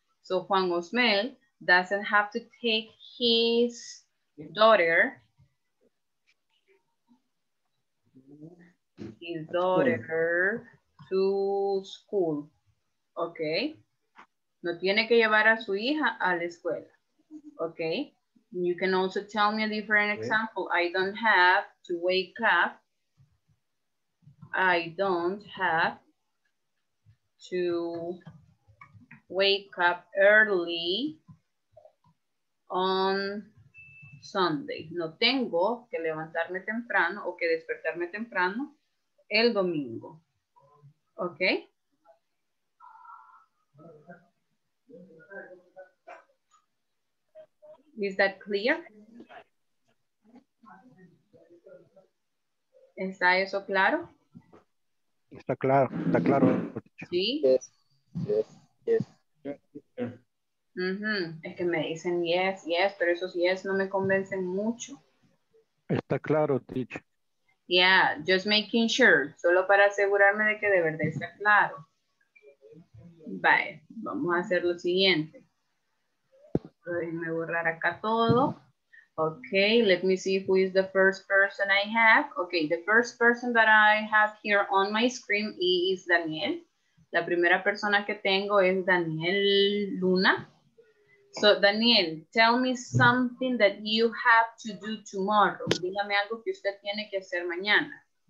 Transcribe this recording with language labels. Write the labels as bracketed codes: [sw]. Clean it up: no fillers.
[en] So Juan Osmel doesn't have to take his daughter. His daughter to school. Okay. [es] No tiene que llevar a su hija a la escuela. [en] Okay. You can also tell me a different example. I don't have to wake up. I don't have to wake up early on Sunday. [es] No tengo que levantarme temprano o que despertarme temprano el domingo. [en] Okay. Is that clear? [es] ¿Está eso claro? Está claro, está claro. ¿Sí? [en] Yes. Mm-hmm. [es] Es que me dicen yes, yes, pero esos yes no me convencen mucho. Está claro, teacher. [en] Yeah, just making sure. [es] Solo para asegurarme de que de verdad está claro. Vale, vamos a hacer lo siguiente. Déjenme borrar acá todo. [en] Okay, let me see who is the first person I have. Okay, the first person that I have here on my screen is Daniel. [es] La primera persona que tengo es Daniel Luna. [en] So, Daniel, tell me something that you have to do tomorrow. [es] Dígame algo que usted tiene que hacer mañana.